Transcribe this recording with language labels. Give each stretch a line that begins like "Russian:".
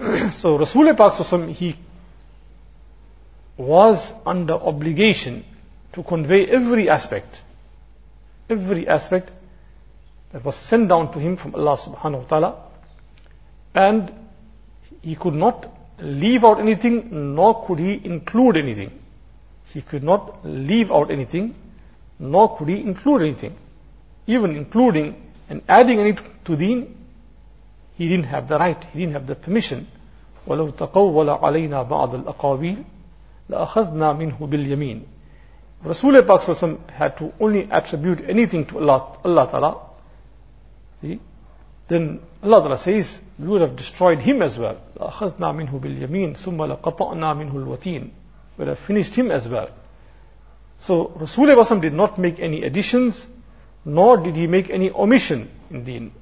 English: So Rasulullah Pak Sallallahu Alaihi Wasallam, he was under obligation to convey every aspect that was sent down to him from Allah subhanahu wa ta'ala, and he could not leave out anything, nor could he include anything. He could not leave out anything, nor could he include anything. Even including and adding any to deen, he didn't have the right, he didn't have the permission
Arabic: ولو تقول علينا بعض الأقاويل لأخذنا منه باليمين.
English: Rasul Pak Sosam had to only attribute anything to Allah Ta'ala, then Allah Ta'ala says, we would have destroyed him as well.
Arabic: لَأَخَذْنَا مِنْهُ بِالْيَمِينِ ثُمَّ لَقَطَعْنَا مِنْهُ الْوَتِينِ.
English: We would have finished him as well. So Rasul Pak Sosam did not make any additions, nor did he make any omission in deen.